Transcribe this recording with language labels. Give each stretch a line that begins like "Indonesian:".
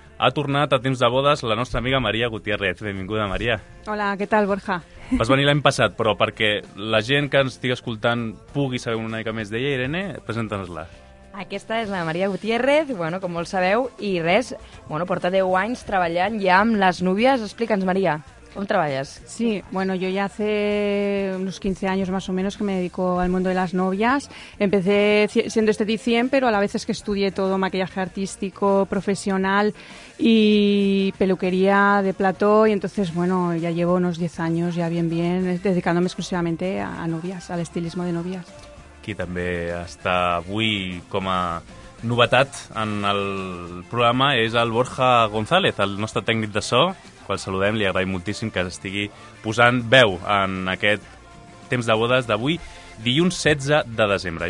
Catalan: Ha tornat a Temps de Bodes la nostra amiga Maria Gutiérrez. Benvinguda, Maria. Hola, què tal, Borja? Vas venir l'any passat, però perquè la gent que ens estigui escoltant pugui saber una mica més d'ella, Irene, presenta'ns-la. Aquesta és la Maria Gutiérrez, bueno, com molt sabeu, i res, bueno, porta 10 anys treballant ja amb les núvies. Explica'ns, Maria, com treballes?
Spanish: Sí, bueno, yo ya hace unos 15 años más o menos que me dedico al mundo de las novias. Empecé siendo esteticien, pero a la vez es que estudié todo maquillaje artístico, profesional y peluquería de plató, y entonces, bueno, ya llevo unos 10 años ya bien bien dedicándome exclusivamente a novias, al estilismo de novias.
Catalan: Aquí també està avui com a novetat en el programa és el Borja González, el nostre tècnic de so, qual saludem, li agraïm moltíssim que estigui posant veu en aquest Temps de Bodes d'avui, dilluns 16 de desembre.